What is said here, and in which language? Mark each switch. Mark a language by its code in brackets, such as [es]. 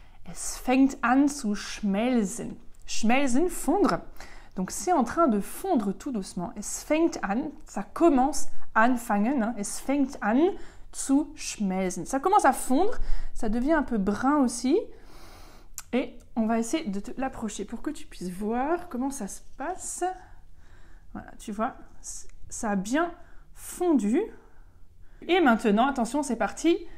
[de] Es fängt an zu schmelzen. Schmelzen, fondre. [fr] Donc c'est en train de fondre tout doucement. [de] Es fängt an, [fr] ça commence, [de] anfangen, hein. Es fängt an zu schmelzen. [fr] Ça commence à fondre, ça devient un peu brun aussi. Et on va essayer de te l'approcher pour que tu puisses voir comment ça se passe. Voilà, tu vois, ça a bien fondu. Et maintenant, attention, c'est parti.